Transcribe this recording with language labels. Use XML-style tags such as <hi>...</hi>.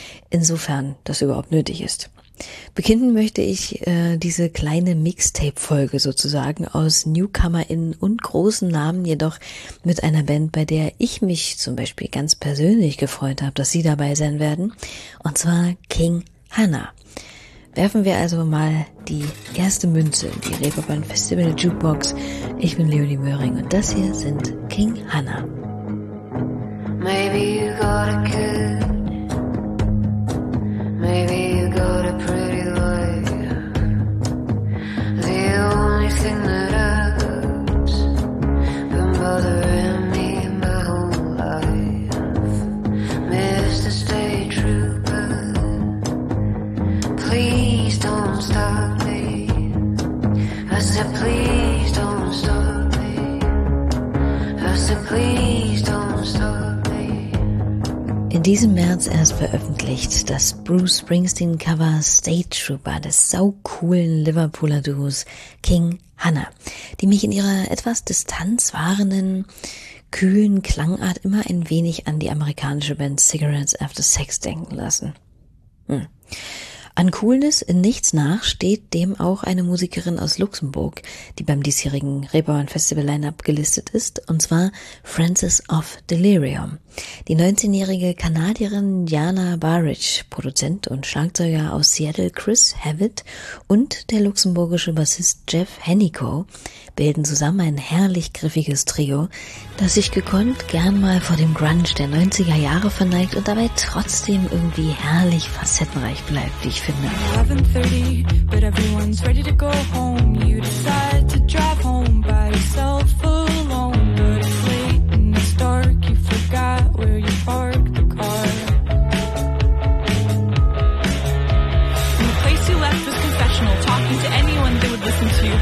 <de>Insofern das überhaupt nötig ist. Beginnen möchte ich diese kleine Mixtape-Folge sozusagen aus NewcomerInnen und großen Namen jedoch mit einer Band, bei der ich mich zum Beispiel ganz persönlich gefreut habe, dass sie dabei sein werden, und zwar King Hannah. Werfen wir also mal die erste Münze in die Reeperbahn Festival Jukebox. Ich bin Leonie Möhring und das hier sind King Hannah.</de> <en>Maybe you got a kid. Maybe you got a pretty life. The only thing that has been bothering me my whole life. Mr. State Trooper, please don't stop me. I said please don't stop me. I said please don't stop me.</en> <de>In diesem März erst veröffentlicht das Bruce Springsteen-Cover State Trooper des saucoolen Liverpooler Duos King Hannah, die mich in ihrer etwas distanzwahrenden, kühlen Klangart immer ein wenig an die amerikanische Band Cigarettes After Sex denken lassen. An Coolness in nichts nach steht dem auch eine Musikerin aus Luxemburg, die beim diesjährigen Reeperbahn Festival Lineup gelistet ist, und zwar Frances of Delirium. Die 19-jährige Kanadierin Jana Barich, Produzent und Schlagzeuger aus Seattle Chris Havitt und der luxemburgische Bassist Jeff Hennico bilden zusammen ein herrlich griffiges Trio, das sich gekonnt gern mal vor dem Grunge der 90er Jahre verneigt und dabei trotzdem irgendwie herrlich facettenreich bleibt, wie ich finde.</de> <en>11:30, but everyone's ready to go home. You decide to drive home by yourself alone. But it's late and it's dark, you forgot where you parked the car. And the place you left was confessional, talking to anyone they would listen to.</en>